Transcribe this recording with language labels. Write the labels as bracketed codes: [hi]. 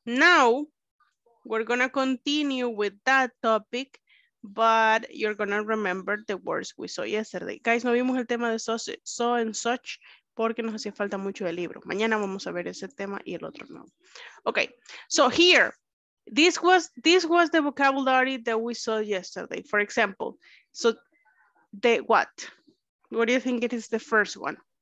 [en] Now, we're gonna continue with that topic, but you're gonna remember the words we saw yesterday. [es] Guys, no vimos el tema de so and such, porque nos hacía falta mucho del libro. Mañana vamos a ver ese tema y el otro no. [en] Okay, so here, this was the vocabulary that we saw yesterday. For example, so the what? What do you think it is the first one?